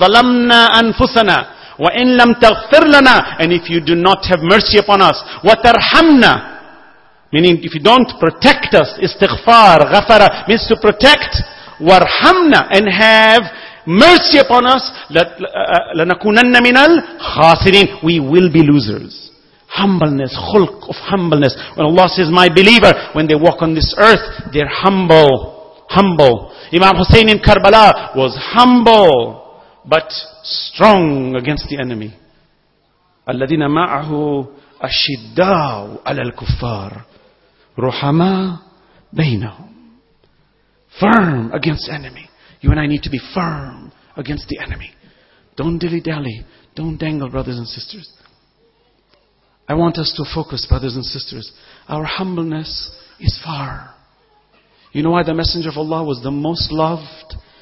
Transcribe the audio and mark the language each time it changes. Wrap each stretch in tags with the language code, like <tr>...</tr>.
<ar>Zalamna anfusana. وَإِن لَمْ تَغْفِرْ لَنَا</ar> <en>And if you do not have mercy upon us,</en> <ar>وَتَرْحَمْنَا</ar> <en>Meaning, if you don't protect us, istighfar, ghafara, means to protect,</en> <ar>وَرْحَمْنَا</ar> <en>And have mercy upon us,</en> <ar>لَنَكُونَنَّ مِنَ الْخَاسِرِينَ</ar> <en>We will be losers. Humbleness, khulq of humbleness. When Allah says, my believer, when they walk on this earth, they're humble. Humble. Imam Hussein in Karbala was humble. But strong against the enemy.</en> <ar>الَّذِينَ مَعَهُ أَشِدَّاءُ عَلَى الْكُفَّارِ رُحَمَا بَيْنَهُمْ</ar> <en>Firm against enemy. You and I need to be firm against the enemy. Don't dilly-dally. Don't dangle, brothers and sisters. I want us to focus, brothers and sisters. Our humbleness is far. You know why the Messenger of Allah was the most loved?</en>